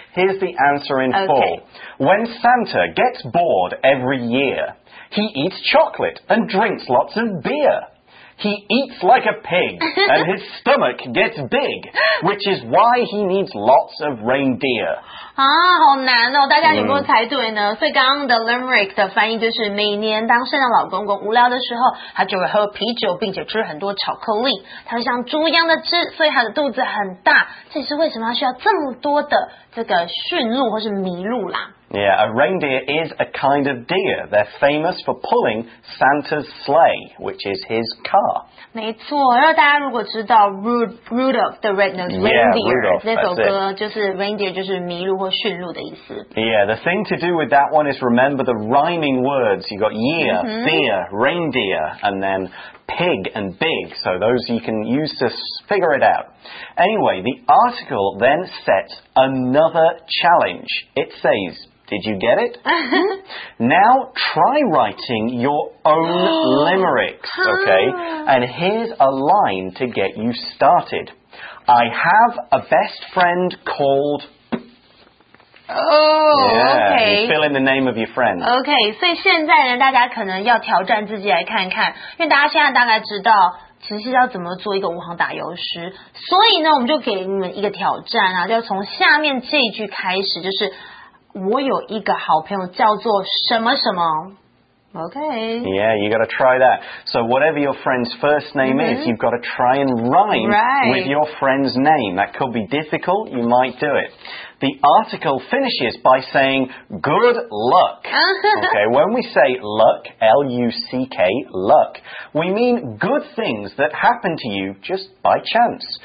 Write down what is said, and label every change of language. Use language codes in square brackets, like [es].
[en] Here's the answer in full. When Santa gets bored every year... He eats chocolate and drinks lots of beer. He eats like a pig and his stomach gets big, which is why he needs lots of reindeer. [zh] 啊，好难哦！大家有没有猜对呢？所以刚刚的 limerick 的翻译就是：每年当圣诞老公公无聊的时候，他就会喝啤酒，并且吃很多巧克力。他会像猪一样的吃，所以他的肚子很大。这是为什么他需要这么多的这个驯鹿或是麋鹿啦？ [en] Yeah, a reindeer is a kind of deer. They're famous for pulling Santa's sleigh, which is his car. [zh] 没错，然后大家如果知道 Rudolph the Red-Nosed Reindeer, [en] Rudolph, [zh] 那首歌就是 reindeer 就是麋鹿或驯鹿的意思。 [en] Yeah, the thing to do with that one is remember the rhyming words. You got year, beer, reindeer, and then pig and big. So those you can use to figure it out. Anyway, the article then sets another challenge. It says... Did you get it? Now try writing your own limericks, okay? And here's a line to get you started. I have a best friend called... okay. You fill in the name of your friend. [zh] Okay, 所以现在呢，大家可能要挑战自己来看看，因为大家现在大概知道其实要怎么做一个无行打油诗，所以呢，我们就给你们一个挑战啊，就从下面这一句开始，就是我有一个好朋友叫做什么什么 Okay. [en] Yeah, you got to try that. So whatever your friend's first name is, you've got to try and rhyme with your friend's name. That could be difficult. You might do it. The article finishes by saying, good luck. Okay, when we say luck, L-U-C-K, luck, we mean good things that happen to you just by chance.